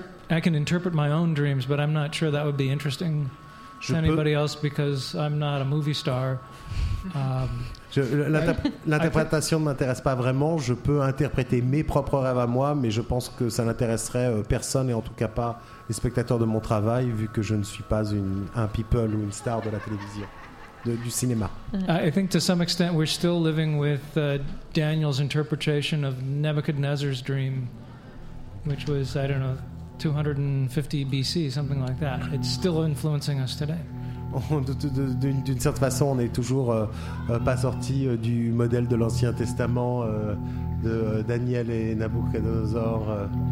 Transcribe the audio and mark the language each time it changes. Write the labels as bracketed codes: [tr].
[en] I can interpret my own dreams, but I'm not sure that would be interesting to anybody else because I'm not a movie star. [fr] L'interprétation ne m'intéresse pas vraiment. Je peux interpréter mes propres rêves à moi, mais je pense que ça n'intéresserait personne, et en tout cas pas les spectateurs de mon travail, vu que je ne suis pas un people ou une star de la télévision, du cinéma. [en] I think to some extent we're still living with Daniel's interpretation of Nebuchadnezzar's dream, which was, I don't know, 250 BC, something like that. It's still influencing us today. [fr] D'une certaine façon, on n'est toujours pas sorti du modèle de l'Ancien Testament de Daniel et Nabuchodonosor.